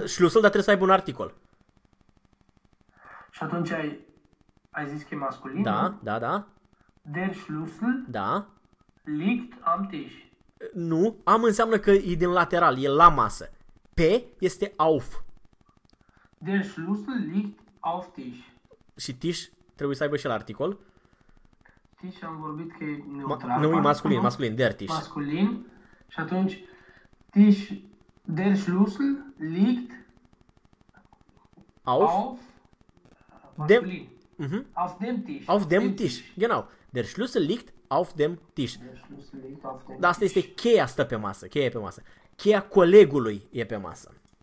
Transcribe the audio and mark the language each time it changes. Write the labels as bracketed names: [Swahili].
[Romanian] Schlüssel, dar trebuie să aibă un articol. Și atunci ai zis că e masculin? Da, nu? Da, da. [German] Der Schlüssel? [Romanian] Da. [German] Liegt am Tisch. [Romanian] Nu, am înseamnă că e din lateral, e la masă. Pe este auf. [German] Der Schlüssel liegt auf Tisch. [Romanian] Și Tisch trebuie să aibă și el articol. Tisch am vorbit că e neutral. Nu, e masculin, nu? Masculin, [German] der Tisch. [Romanian] Masculin. Și atunci, [German] Tisch, der Schlüssel liegt auf, dem, auf dem Tisch. Auf dem Tisch, genau. Der Schlüssel liegt auf dem Tisch. [Romanian] Dar asta este cheia, stă pe masă, cheia pe masă. Cheia colegului e pe masă.